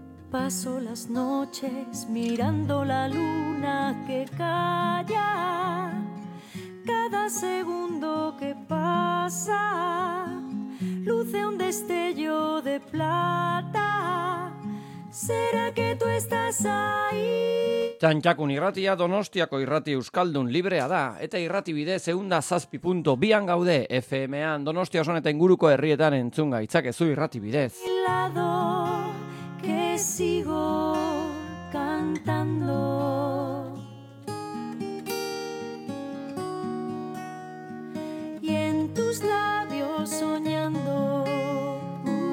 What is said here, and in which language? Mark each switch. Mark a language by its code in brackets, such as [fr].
[es] paso las noches mirando la luna que calla, cada segundo que pasa luce un destello de plata, ¿será que tú estás ahí? [eu] Jantxakun irratia Donostiako irrati Euskaldun Librea da, eta irrati bidez 107.2-an gaude FM-an Donostia osoan eta inguruko herrietan entzun gaitzakezu irrati bidez. [es] Lado. Que sigo cantando y en tus labios soñando.